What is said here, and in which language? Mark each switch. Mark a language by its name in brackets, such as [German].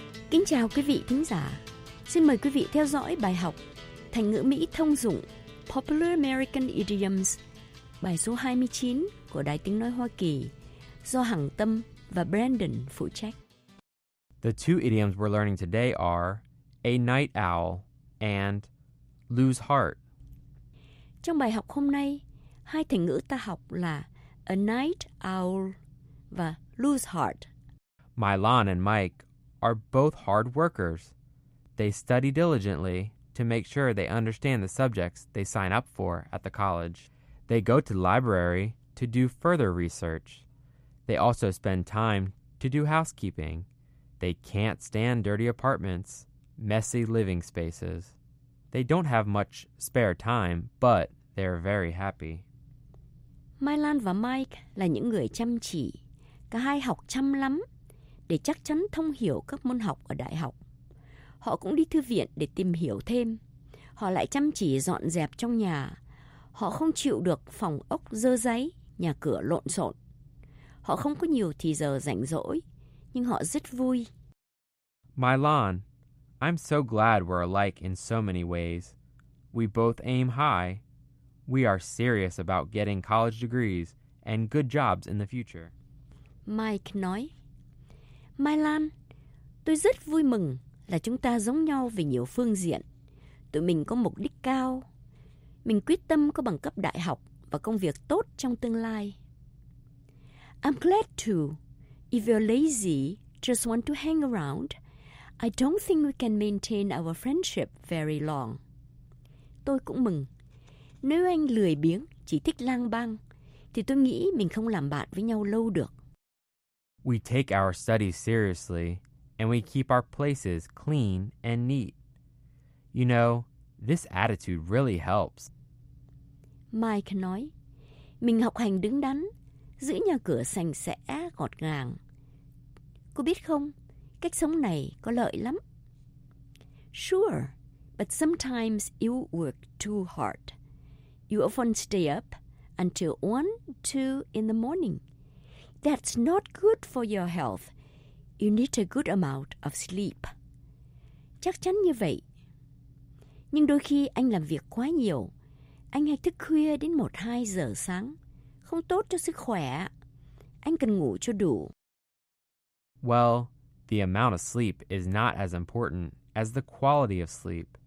[Vietnamese] Kính chào quý vị thính giả. Xin mời quý vị theo dõi bài học Thành ngữ Mỹ thông dụng Popular American Idioms, bài số 29 của Đài Tiếng Nói Hoa Kỳ do Hằng Tâm và Brandon phụ trách. [English] The two idioms we're learning today are a night owl and lose heart. [Vietnamese] Trong bài học hôm nay, hai thành ngữ ta học là a night owl và lose heart. [English] Milan and Mike are both hard workers. They study diligently to make sure they understand the subjects they sign up for at the college. They go to the library to do further research. They also spend time to do housekeeping. They can't stand dirty apartments, messy living spaces. They don't have much spare time, but they're very happy. [Vietnamese] Milan và Mike là những người chăm chỉ. Cả hai học chăm lắm để chắc chắn thông hiểu các môn học ở đại học. Họ cũng đi thư viện để tìm hiểu thêm. Họ lại chăm chỉ dọn dẹp trong nhà. Họ không chịu được phòng ốc dơ dáy, nhà cửa lộn xộn. Họ không có nhiều thời giờ rảnh rỗi, nhưng họ rất vui. [English] Milan, I'm so glad we're alike in so many ways. We both aim high. We are serious about getting college degrees and good jobs in the future. [Vietnamese] Mike nói, Milan, tôi rất vui mừng là chúng ta giống nhau về nhiều phương diện. Tụi mình có mục đích cao. Mình quyết tâm có bằng cấp đại học và công việc tốt trong tương lai. [English] I'm glad too. If you're lazy, just want to hang around, I don't think we can maintain our friendship very long. [Vietnamese] Tôi cũng mừng. Nếu anh lười biếng, chỉ thích lang bang, thì tôi nghĩ mình không làm bạn với nhau lâu được. [English] We take our studies seriously, and we keep our places clean and neat. You know, this attitude really helps. [Vietnamese] Mike nói, mình học hành đứng đắn, giữ nhà cửa sạch sẽ, gọn gàng. Cô biết không, cách sống này có lợi lắm. [English] Sure, but sometimes you work too hard. You often stay up until 1, 2 in the morning. That's not good for your health. You need a good amount of sleep. [Vietnamese] Chắc chắn như vậy. Nhưng đôi khi anh làm việc quá nhiều. Anh hay thức khuya đến 1-2 giờ sáng. Không tốt cho sức khỏe. Anh cần ngủ cho đủ. [English] Well, the amount of sleep is not as important as the quality of sleep.